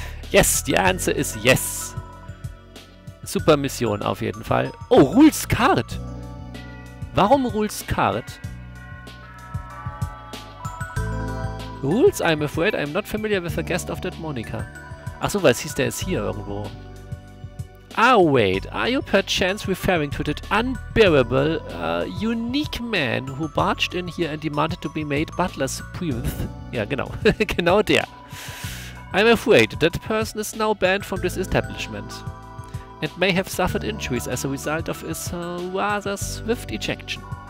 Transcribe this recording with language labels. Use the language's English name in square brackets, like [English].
[English] Yes, the answer is yes. [German] Super Mission auf jeden Fall. Oh, Rules Card. Warum Rules Card? [English] Rules, I'm afraid I'm not familiar with a guest of that Monica. [German] Ach so, weil es hieß, der ist hier irgendwo. [English] Ah, wait. Are you perchance referring to that unbearable, unique man who barged in here and demanded to be made butler supreme? [German] Ja, genau. Genau der. [English] I'm afraid that person is now banned from this establishment and may have suffered injuries as a result of his rather swift ejection.